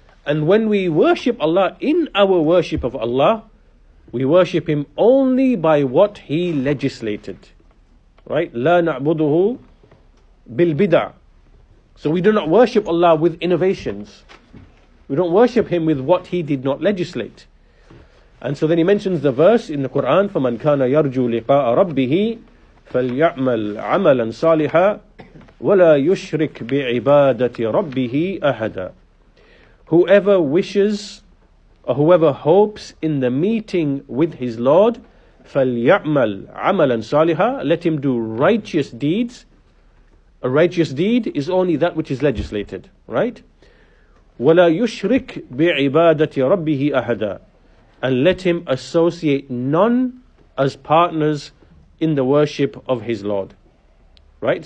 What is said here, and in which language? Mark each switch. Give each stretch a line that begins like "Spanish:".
English: And when we worship Allah, in our worship of Allah, we worship Him only by what He legislated. Right?
Arabic: لا نعبده بالبدع.
English: So we do not worship Allah with innovations. We don't worship Him with what He did not legislate. And so then he mentions the verse in the Quran,
Arabic: فَمَنْ كَانَ يَرْجُو لِقَاءَ رَبِّهِ فليعمل عملا صالحا ولا يشرك بعبادة ربه أحدا.
English: Whoever wishes or whoever hopes in the meeting with his Lord,
Arabic: فليعمل عملا صالحا,
English: let him do righteous deeds. A righteous deed is only that which is legislated, right?
Arabic: وَلَا يُشْرِكْ بِعِبَادَةِ رَبِّهِ أَحَدًا,
English: and let him associate none as partners in the worship of his Lord. Right?